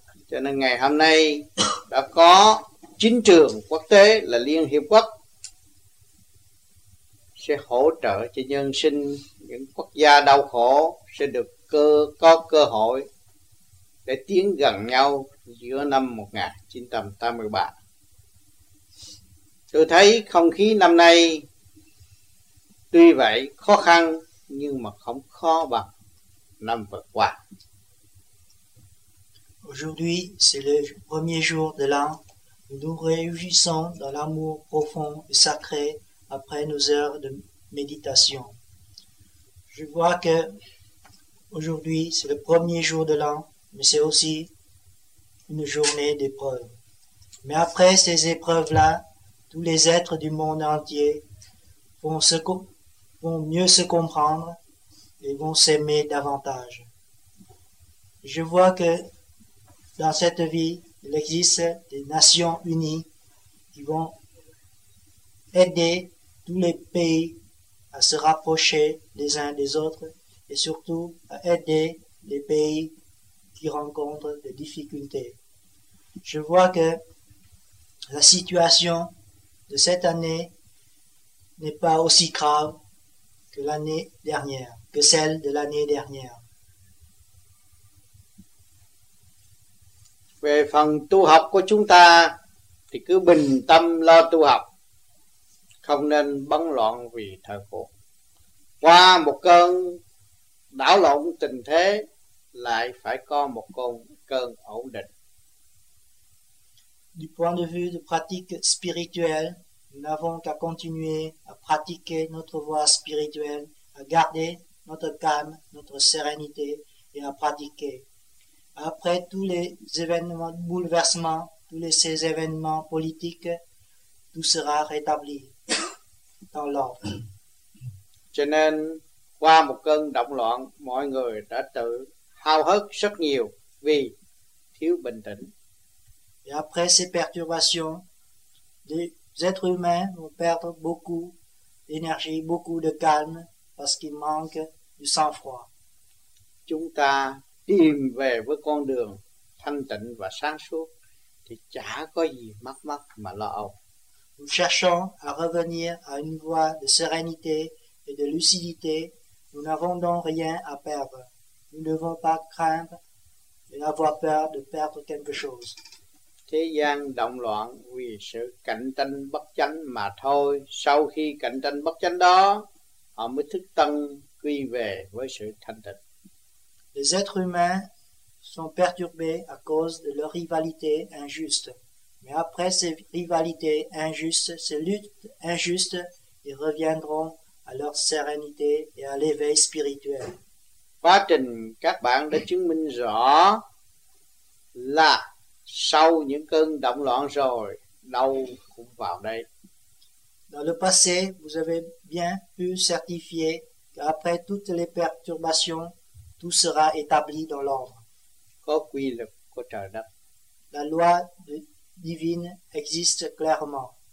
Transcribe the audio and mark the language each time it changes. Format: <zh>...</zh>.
<vi>Cho nên ngày hôm nay đã có chính trường quốc tế là Liên Hiệp Quốc sẽ hỗ trợ cho nhân sinh, những quốc gia đau khổ sẽ được có cơ hội để tiến gần nhau giữa năm 1983. Tôi thấy không khí năm nay tuy vậy khó khăn nhưng mà không khó bằng năm vừa qua.</vi> <fr>Aujourd'hui, c'est le premier jour de l'an. Nous réjouissons dans l'amour profond et sacré après nos heures de méditation. Je vois que aujourd'hui, c'est le premier jour de l'an, mais c'est aussi une journée d'épreuves. Mais après ces épreuves-là, tous les êtres du monde entier vont mieux se comprendre et vont s'aimer davantage. Je vois que dans cette vie, il existe des Nations Unies qui vont aider tous les pays à se rapprocher les uns des autres et surtout à aider les pays qui rencontrent des difficultés. Je vois que la situation de cette année n'est pas aussi grave que l'année dernière, que celle de l'année dernière.</fr> <vi>Về phần tu học của chúng ta thì cứ bình tâm lo tu học, không nên bấn loạn vì thời cuộc. Qua một cơn đảo lộn tình thế lại phải có một cơn ổn định.</vi> <fr>Du point de vue de pratique spirituelle, nous n'avons qu'à continuer à pratiquer notre voie spirituelle, à garder notre calme, notre sérénité et à pratiquer. Après tous les événements de bouleversement, tous ces événements politiques, tout sera rétabli dans l'ordre.</fr> <vi>Cho nên, qua một cơn động loạn, mọi người đã tự hao hức rất nhiều vì thiếu bình tĩnh.</vi> <fr>Et après ces perturbations, êtres humains vont perdre beaucoup d'énergie, beaucoup de calme parce qu'ils manquent du sang-froid.</fr> <vi>Chúng ta tìm về với con đường thanh tịnh và sáng suốt thì chả có gì mắc mắc mà lo âu.</vi> <fr>Nous cherchons à revenir à une voie de sérénité et de lucidité. Nous n'avons donc rien à perdre. Nous ne devons pas craindre et avoir peur de perdre quelque chose.</fr> <vi>Thế gian động loạn vì sự cạnh tranh bất chánh mà thôi. Sau khi cạnh tranh bất chánh đó, họ mới thức tâm quy về với sự thanh tịnh.</vi> <fr>Les êtres humains sont perturbés à cause de leur rivalité injuste. Mais après ces rivalités injustes, ces luttes injustes, ils reviendront à leur sérénité et à l'éveil spirituel.</fr> <vi>Quá trình các bạn đã chứng minh rõ là sau những cơn động loạn rồi, đau cũng vào đây.</vi> <fr>Dans le passé, vous avez bien pu certifier qu'après toutes les perturbations, tout sera établi dans l'ordre.</fr> <vi>Có quy luật của trời đất.</vi> <fr>La loi divine existe clairement.</fr>